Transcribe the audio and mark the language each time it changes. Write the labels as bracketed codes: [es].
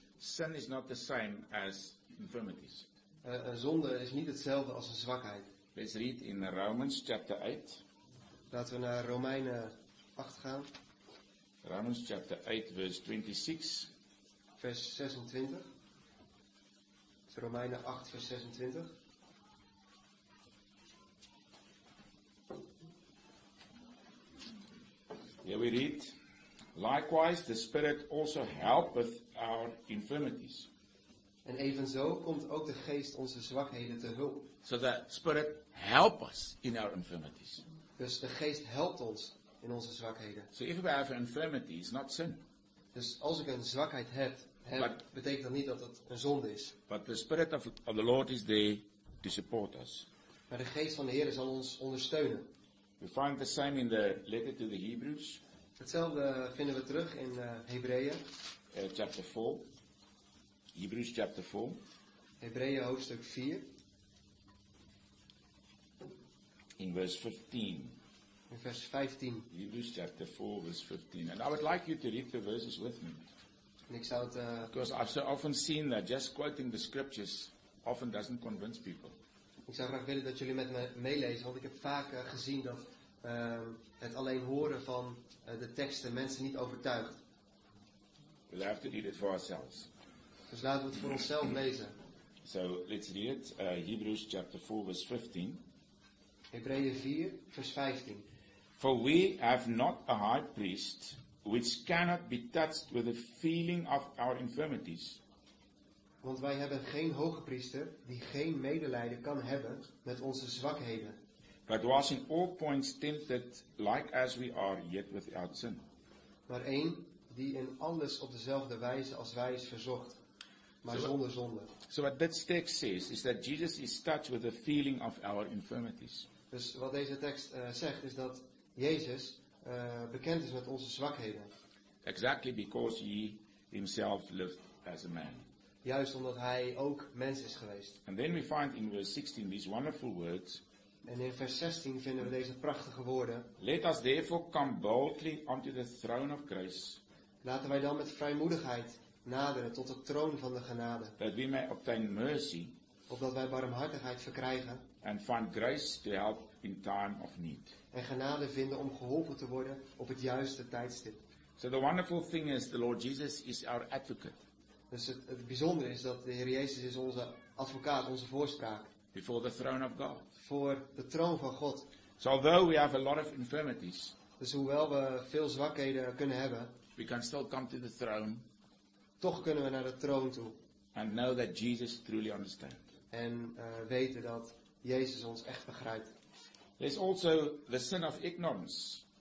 [en] Sin is not the same as infirmities. [nl] Een zonde is niet hetzelfde als een zwakheid. [en] Let's read in Romans chapter 8. [nl] Laten we naar Romeinen 8 gaan. [en] Romans chapter 8 verse 26. [nl] Vers 26. Het is Romeinen 8 vers 26. [en] Here we read. Likewise the Spirit also helpeth our infirmities. [nl] En evenzo komt ook de Geest onze zwakheden te hulp. [en] So the Spirit help us in our infirmities. [nl] Dus de Geest helpt ons in onze zwakheden. [en] So if we have an infirmity, it's not sin. [nl] Dus als ik een zwakheid heb [en] but, [nl] betekent dat niet dat het een zonde is. [en] But the Spirit of the Lord is there to support us. [nl] Maar de Geest van de Heer zal ons ondersteunen. [en] We find the same in the letter to the Hebrews. [nl] Hetzelfde vinden we terug in Hebreeën. [en] Chapter 4. Hebrews chapter 4. [nl] Hebreeën hoofdstuk 4. [en] In verse 15. [nl] In vers 15. [en] Hebrews chapter 4 verse 15. And I would like you to read the verses with me. [nl] En ik zou het, [en] because I've so often seen that just quoting the scriptures often doesn't convince people. [nl] Ik zou graag willen dat jullie met me meelezen, want ik heb vaak gezien dat het alleen horen van de teksten mensen niet overtuigt. [en] We'll have to read it for ourselves. [nl] Dus laten we het voor onszelf lezen. [en] So let's read it. Hebrews chapter 4 verse 15. [nl] Hebreeën 4 vers 15. [en] For we have not a high priest which cannot be touched with the feeling of our infirmities. [nl] Want wij hebben geen hoge priester die geen medelijden kan hebben met onze zwakheden. [en] But was in all points tempted like as we are, yet without sin. [nl] maar één die in alles op dezelfde wijze als wij is verzocht, maar so zonder zonde. [en] So what this text says is that Jesus is touched with the feeling of our infirmities. [nl] Dus wat deze tekst zegt is dat Jezus bekend is met onze zwakheden. [en] Exactly because he himself lived as a man. [nl] Juist omdat hij ook mens is geweest. [en] And then we find in verse 16 these wonderful words. [nl] En in vers 16 vinden we deze prachtige woorden. [en] Let us therefore come boldly unto the throne of grace. [nl] Laten wij dan met vrijmoedigheid naderen tot de troon van de genade. [en] That we may obtain mercy. [nl] Opdat wij barmhartigheid verkrijgen. [en] And find grace to help in time of need. [nl] En genade vinden om geholpen te worden op het juiste tijdstip. [en] So the wonderful thing is the Lord Jesus is our advocate. [nl] Dus het bijzondere is dat de Heer Jezus is onze advocaat, onze voorspraak. [en] Before the throne of God. [nl] Voor de troon van God. [en] So although we have a lot of infirmities. [nl] Dus hoewel we veel zwakheden kunnen hebben. [en] We can still come to the throne. [nl] Toch kunnen we naar de troon toe. [en] And know that Jesus truly understands. [nl] En weten dat Jezus ons echt begrijpt. [en] There's also the sin of ignorance.